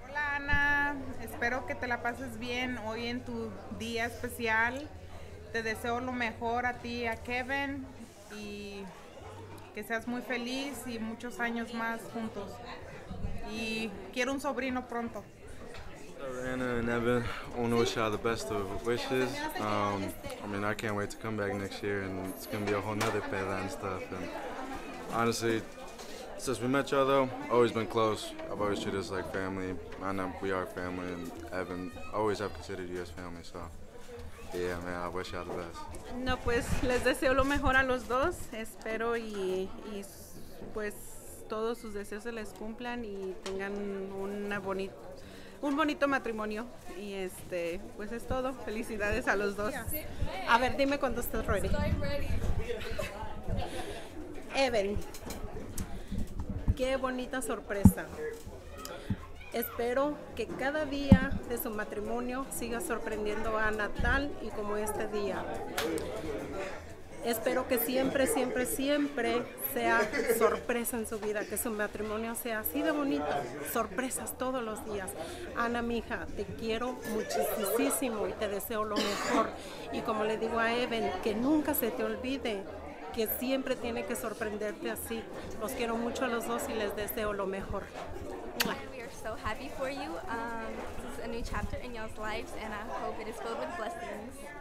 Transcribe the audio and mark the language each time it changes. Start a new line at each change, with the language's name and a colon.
Spanish: Hola, Ana, espero que te la pases bien hoy en tu día especial. Te deseo lo mejor a ti, a Kevin, y que seas muy feliz y muchos años más juntos. Y quiero un sobrino pronto.
English: Anna and Evan, I want to wish y'all the best of wishes. I can't wait to come back next year, and it's going to be a whole nother peda and stuff. And honestly, since we met y'all, though, always been close. I've always treated us like family. Anna, we are family, and Evan, always have considered you as family. So, yeah, man, I wish y'all the best.
Spanish: No, pues, les deseo lo mejor a los dos. Espero y pues todos sus deseos se les cumplan, y tengan una bonita... un bonito matrimonio. Y este, pues es todo. Felicidades a los dos. A ver, dime cuando estés ready. Evan, qué bonita sorpresa. Espero que cada día de su matrimonio siga sorprendiendo a Natal y como este día. Espero que siempre, siempre, siempre sea sorpresa en su vida, que su matrimonio sea así de bonito, sorpresas todos los días. Ana, mija, te quiero muchísimo y te deseo lo mejor. Y como le digo a Evan, que nunca se te olvide que siempre tiene que sorprenderte así. Los quiero mucho a los dos y les deseo lo mejor.
English: So happy for you. This is a new chapter in y'all's lives, and I hope it is filled with blessings.